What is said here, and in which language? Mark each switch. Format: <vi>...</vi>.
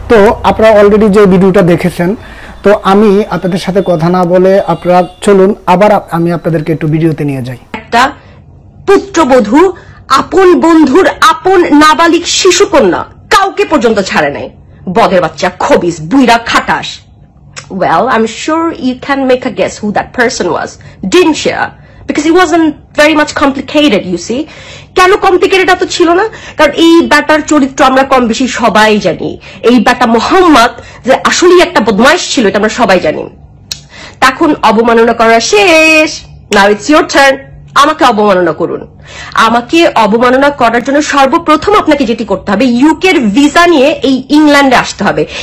<bn>তো আপনারা অলরেডি যে ভিডিওটা দেখেছেন, তো আমি আপনাদের সাথে কথা না বলে আপনারা চলুন আবার আমি আপনাদেরকে একটু ভিডিওতে নিয়ে যাই। একটা পুত্রবধূ, আপন বন্ধুর আপন নাবালিক শিশুকন্যা, কাউকে পর্যন্ত ছাড়ে নাই। বদের বাচ্চা খবিস, বুইরা খাটাস।</bn> <en>Well, I'm sure you can make a guess who that person was, didn't you? Because it wasn't very much complicated, you see.</en> <bn>কেন কমপ্লিকেটেড এত ছিল না? কারণ এই ব্যাটার চরিত্র আমরা কম বেশি সবাই জানি। এই ব্যাটা মোহাম্মদ যে আসলেই একটা বদমাইশ ছিল এটা আমরা সবাই জানি। তখন অবমাননা করা শেষ,</bn> <en>now it's your turn,</en> <bn>আমাকে অবমাননা করুন। আমাকে অবমাননা করার জন্য সর্বপ্রথম আপনাকে যেটি করতে হবে, ইউকের ভিসা নিয়ে এই ইংল্যান্ডে আসতে হবে।</bn>